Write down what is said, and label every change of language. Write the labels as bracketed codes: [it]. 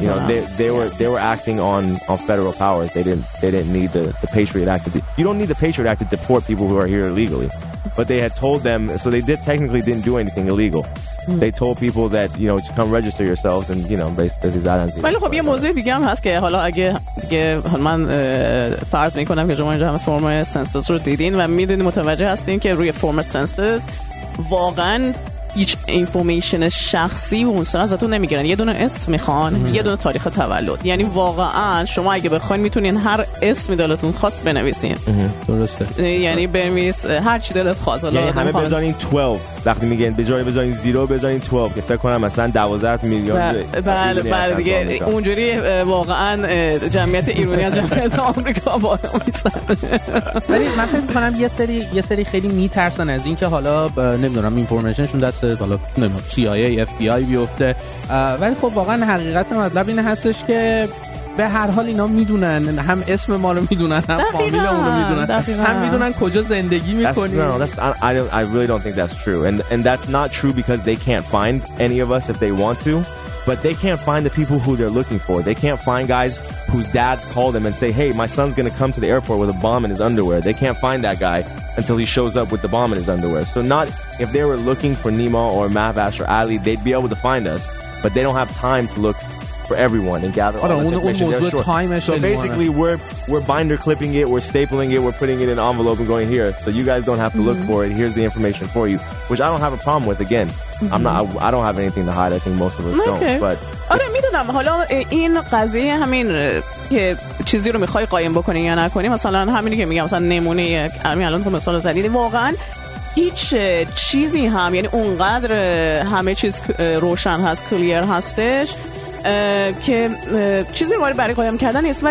[en] You know, they were acting on federal powers. They didn't need the Patriot Act. You don't need the Patriot Act to deport people who are here illegally. But they had told them, so they did technically didn't do anything illegal. They told people that, you know, to come register yourselves and, you know, basically that answer. [fa] ولی خب یه موضوع دیگه هم هست که حالا اگه من فرض میکنم که شما اینجا همه فرم سنسس رو دیدین و میدونین متوجه هستین که روی فرم سنسس واقعا هیچ اینفورمیشن شخصی و اون سر ازتون نمیگیرن. یه دونه اسم میخوان، یه دونه تاریخ تولد. یعنی واقعا شما اگه بخواین میتونین هر اسمی دلتون خاص بنویسین. درسته. یعنی بنویس هر چی دلت خواست. یعنی همه بزنین 12. وقتی میگن بزنین 0 بزنین 12 که فکر کنم مثلا 12 میلیون. بله بله دیگه اونجوری واقعا جمعیت ایرانی از جمعیت آمریکا بالا میسن. ولی من فکر میکنم یه سری خیلی میترسن از اینکه حالا نمیدونم اینفورمیشن دسته حالا CIA FBI بیفته، ولی خب واقعا حقیقت مطلب این هستش که به هر حال اینا میدونن، هم اسم ما رو میدونن، هم فامیل ما رو میدونن، هم میدونن کجا زندگی میکنیم. [en] I really don't think that's true, and that's not true because they can't find any of us if they want to, but they can't find the people who they're looking for. They can't find guys whose dads call them and say, hey, my son's gonna come to the airport with a bomb in his underwear. They can't find that guy until he shows up with the bomb in his underwear. So not if they were looking for Nima or Mahavash or Ali, they'd be able to find us, but they don't have time to look for everyone and gather all the information. Time, so basically we're binder clipping it, we're stapling it, we're putting it in an envelope and going, here, so you guys don't have to look for it, here's the information for you, which I don't have a problem with. Again, I don't have anything to hide. I think most of us don't. But [fa] آره میدونم، حالا این قضیه همین که چیزی رو میخوای قایم بکنی یا نکنی، مثلا همینی که میگم، مثلا نمونه همین الان تو مثال زدی، واقعا هیچ چیزی هم، یعنی اونقدر همه چیز روشن هست، کلیر هستش که چیزی رو برای قایم کردن نیست.